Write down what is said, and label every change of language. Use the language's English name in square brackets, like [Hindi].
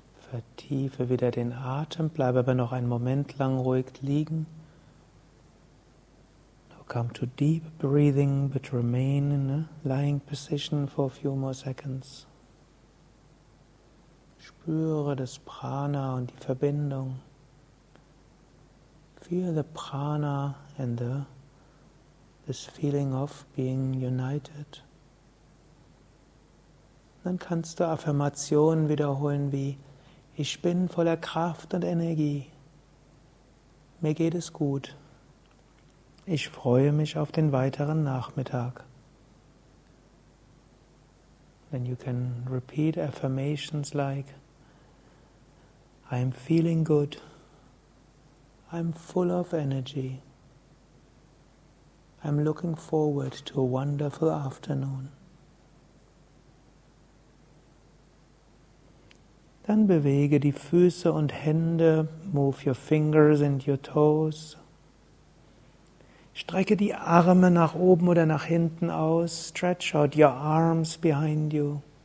[German] vertiefe wieder den Atem, bleibe aber noch einen Moment lang ruhig liegen. [English] Now come to deep breathing, but remain in a lying position for a few more seconds. [German] Spüre das Prana und die Verbindung. [English] Feel the Prana and this feeling of being united. [German] Dann kannst du Affirmationen wiederholen wie: Ich bin voller Kraft und Energie. Mir geht es gut. Ich freue mich auf den weiteren Nachmittag. [English] Then you can repeat affirmations like: I'm feeling good. I'm full of energy. I'm looking forward to a wonderful afternoon. [German] Dann bewege die Füße und Hände. [English] Move your fingers and your toes. [German] Strecke die Arme nach oben oder nach hinten aus. [English] Stretch out your arms behind you.